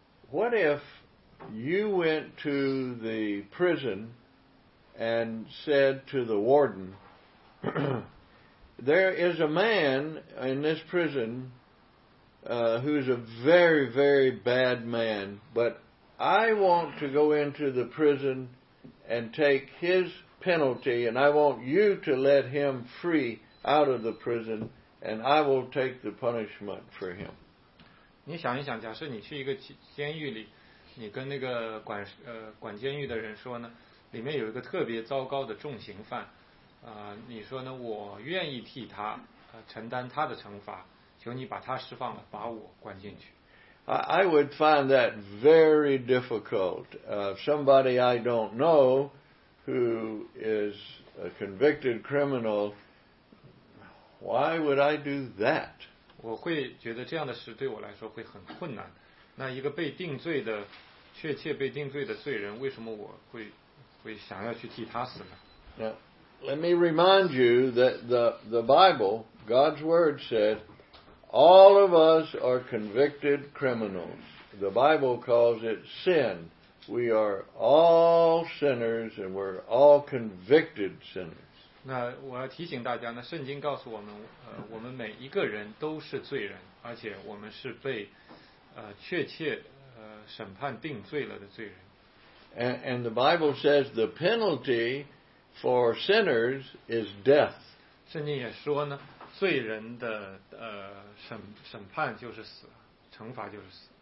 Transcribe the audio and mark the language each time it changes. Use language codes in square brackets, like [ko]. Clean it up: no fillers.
[en] What if you went to the prison and said to the warden, there is a man in this prison who's a very, very bad man, but I want to go into the prison and take his penalty, and I want you to let him free out of the prison, and I will take the punishment for him. [zh] 你想一想，假设你去一个监狱里，你跟那个管监狱的人说呢，里面有一个特别糟糕的重刑犯，你说呢，我愿意替他承担他的惩罚，求你把他释放了，把我关进去。 [en] I would find that very difficult. Somebody I don't know who is a convicted criminal, why would I do that? [zh] 我会觉得这样的事对我来说会很困难。那一个被定罪的，确切被定罪的罪人，为什么我会想要去替他死呢？ [en] Now, let me remind you that the Bible, God's Word said,All of us are convicted criminals. The Bible calls it sin. We are all sinners and we're all convicted sinners. [zh] 那我要提醒大家呢，圣经告诉我们，我们每一个人都是罪人，而且我们是被确切审判定罪了的罪人。 [en] And the Bible says the penalty for sinners is death. [zh] 圣经也说呢，罪人的审判就是死，惩罚就是死。